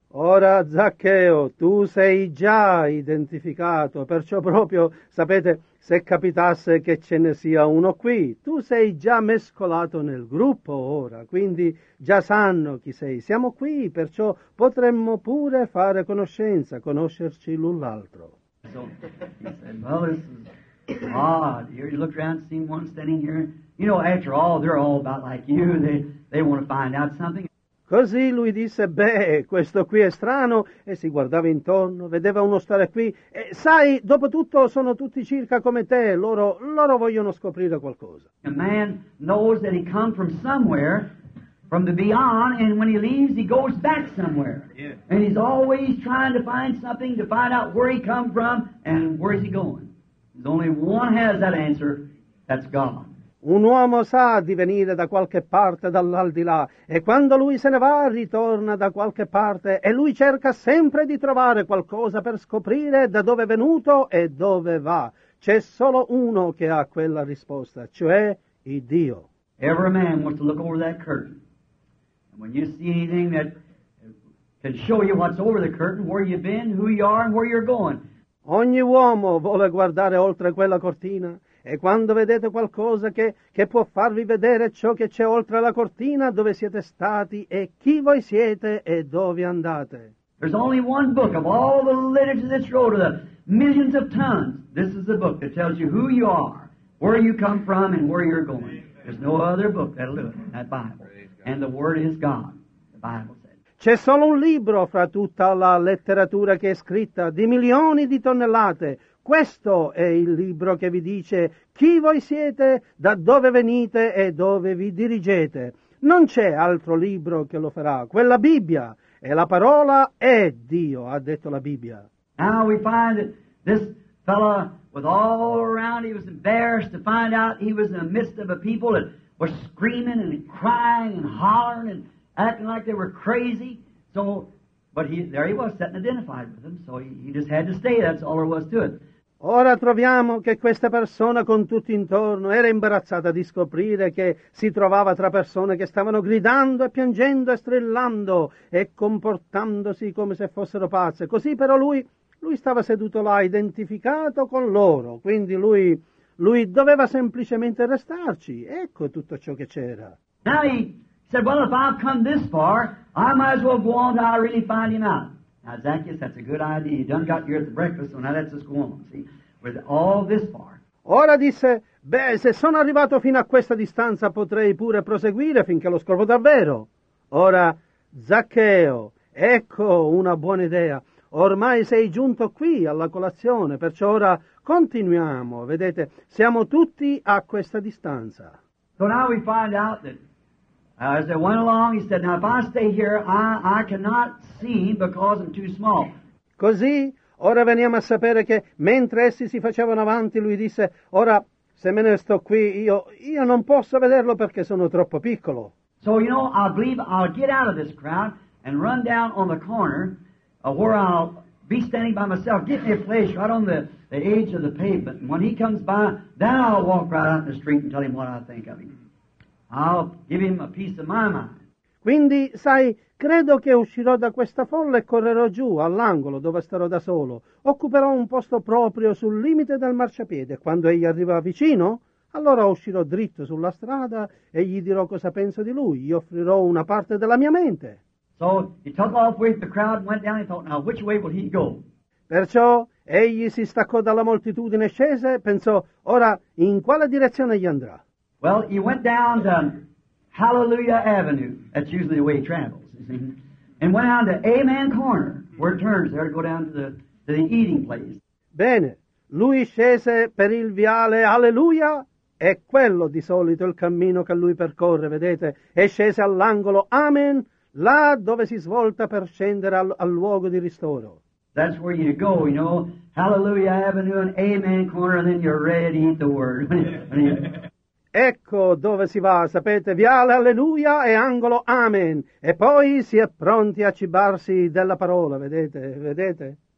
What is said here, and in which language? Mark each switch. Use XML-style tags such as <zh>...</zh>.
<it>Ora, Zaccheo, tu sei già identificato, perciò proprio, sapete, se capitasse che ce ne sia uno qui, tu sei già mescolato nel gruppo ora, quindi già sanno chi sei. Siamo qui, perciò potremmo pure fare conoscenza, conoscerci l'un l'altro.</it> <en>So, he said, well, this is odd. Here you look around, see one standing here. You know, after all, they're all about like you. They want to find out something.</en> <it>Così lui disse, beh, questo qui è strano, e si guardava intorno, vedeva uno stare qui, e sai, dopo tutto sono tutti circa come te, loro vogliono scoprire qualcosa.</it> <en>A man knows that he come from somewhere, from the beyond, and when he leaves he goes back somewhere. Yeah. And he's always trying to find something to find out where he come from and where is he going. There's only one has that answer, that's God.</en> <it>Un uomo sa di venire da qualche parte dall'aldilà e quando lui se ne va ritorna da qualche parte e lui cerca sempre di trovare qualcosa per scoprire da dove è venuto e dove va. C'è solo uno che ha quella risposta, cioè il Dio.</it> <en>Every man wants to look over that curtain. And when you see anything that can show you what's over the curtain, where you've been, who you are and where you're going.</en> <it>Ogni uomo vuole guardare oltre quella cortina. E quando vedete qualcosa che può farvi vedere ciò che c'è oltre la cortina, dove siete stati e chi voi siete e dove andate.</it> <en>There's only one book of all the literature that's wrote of the millions of tons. This is the book that tells you who you are, where you come from and where you're going. There's no other book that'll do it, that Bible. And the word is God, the Bible.</en> <it>C'è solo un libro fra tutta la letteratura che è scritta di milioni di tonnellate. Questo è il libro che vi dice chi voi siete, da dove venite e dove vi dirigete. Non c'è altro libro che lo farà. Quella Bibbia e la parola è Dio, ha detto la Bibbia.</it> <en>Now we find that this fellow was all around, he was embarrassed to find out he was in the midst of a people that were screaming and crying and hollering and acting like they were crazy. So, but there he was, sitting identified with them, so he just had to stay, that's all there was to it.</en> <it>Ora troviamo che questa persona con tutti intorno era imbarazzata di scoprire che si trovava tra persone che stavano gridando e piangendo e strillando e comportandosi come se fossero pazze. Così però lui stava seduto là, identificato con loro, quindi lui doveva semplicemente restarci. Ecco tutto ciò che c'era.</it> <en>Now he said, well, if I've come this far, I might as well go on till I really find him out. Now, Zacchaeus, that's a good idea. You done got here at the breakfast, so now let's just go on, see? With all this far.</en> <it>Ora disse, beh, se sono arrivato fino a questa distanza, potrei pure proseguire finché lo scopro davvero. Ora, Zaccheo, ecco una buona idea. Ormai sei giunto qui alla colazione, perciò ora continuiamo. Vedete, siamo tutti a questa distanza.</it> <en>So now we find out that as they went along, he said, now if I stay here, I cannot see because I'm too small.</en> <it>Così, ora veniamo a sapere che mentre essi si facevano avanti, lui disse, ora, se me ne sto qui, io non posso vederlo perché sono troppo piccolo.</it> <en>So, you know, I believe I'll get out of this crowd and run down on the corner where I'll be standing by myself, get me a place right on the edge of the pavement. And when he comes by, then I'll walk right out in the street and tell him what I think of him. I'll give him a piece of my mind.</en> <it>Quindi, sai, credo che uscirò da questa folla e correrò giù, all'angolo, dove starò da solo. Occuperò un posto proprio sul limite del marciapiede. Quando egli arriva vicino, allora uscirò dritto sulla strada e gli dirò cosa penso di lui. Gli offrirò una parte della mia mente.</it> <en>So, he took off with the crowd and went down and thought, now which way will he go?</en> <it>Perciò, Egli si staccò dalla moltitudine, scese e pensò, ora in quale direzione gli andrà?</it> <en>Well, he went down to Hallelujah Avenue. That's usually the way he travels, you see. And went down to Amen Corner, where it turns there to go down to the eating place.</en> <it>Bene. Lui scese per il viale Alleluia, è quello di solito il cammino che lui percorre, vedete, e scese all'angolo Amen, là dove si svolta per scendere al luogo di ristoro.</it> <en>That's where you go, you know, Hallelujah Avenue and Amen Corner, and then you're ready to eat the word.</en> <it>Ecco dove si va, sapete, viale Alleluia e angolo Amen, e poi si è pronti a cibarsi della parola, vedete, vedete.</it>